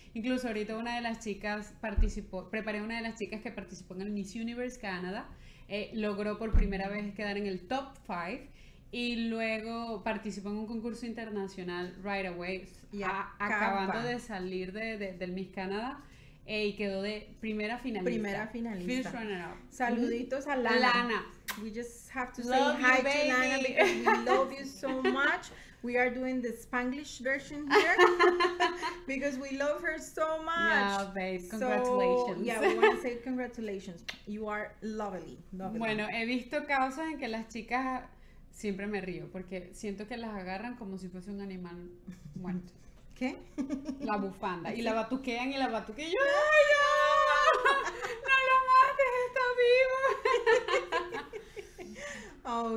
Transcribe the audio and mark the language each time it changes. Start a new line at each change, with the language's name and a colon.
Spanish: Incluso ahorita una de las chicas participó, preparé una de las chicas que participó en el Miss Universe Canada. Logró por primera vez quedar en el top 5 y luego participó en un concurso internacional
English: right away,
Spanish: acabando de salir del Miss Canada, y quedó de primera finalista.
English: First runner up.
Spanish: Saluditos a Lana.
English: Lana. We just have to say hi to Lana because we love you so much. We are doing the Spanglish version here because we love her so much. Yeah, babe, congratulations. So, yeah, we want to say congratulations. You are lovely.
Spanish: Bueno, he visto casos en que las chicas, siempre me río porque siento que las agarran como si fuese un animal muerto. ¿Qué? La bufanda. Y la batuquean y la batuquean. ¡Ay, ay! ¡No lo mates! ¡Está vivo!